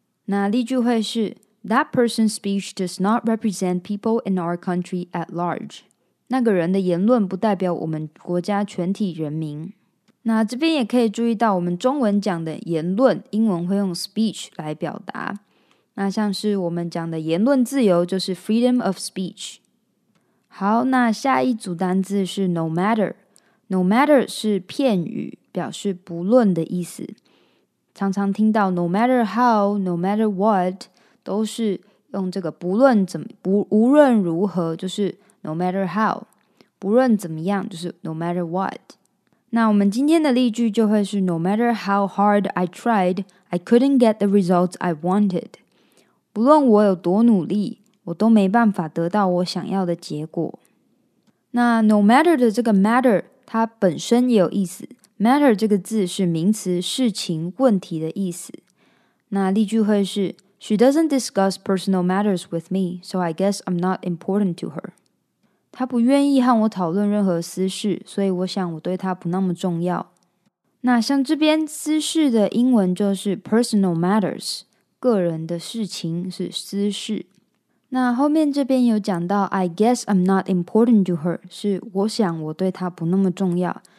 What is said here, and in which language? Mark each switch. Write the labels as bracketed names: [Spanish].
[Chinese] 那例句会是 [English] That person's speech does not represent people in our country at large。 [Chinese] 那个人的言论不代表我们国家全体人民。那这边也可以注意到，我们中文讲的言论，英文会用 speech 来表达。那像是我们讲的言论自由，就是 freedom of speech。好，那下一组单字是 no matter。no matter 是片语，表示不论的意思。常常听到 no matter how, no matter what 都是用这个不论怎么不无论如何，就是 no matter how， 不论怎么样，就是 no matter what。那我们今天的例句就会是 [English] no matter how hard I tried, I couldn't get the results I wanted。 [Chinese] 不论我有多努力，我都没办法得到我想要的结果。那 no matter 的这个 matter 它本身也有意思。 matter 这个字是名词，事情、问题的意思。那例句会是 [English] She doesn't discuss personal matters with me, so I guess I'm not important to her. [Chinese] 她不愿意和我讨论任何私事，所以我想我对她不那么重要。那像这边私事的英文就是 personal matters， 个人的事情是私事。那后面这边有讲到 [English] I guess I'm not important to her， [Chinese] 是我想我对她不那么重要。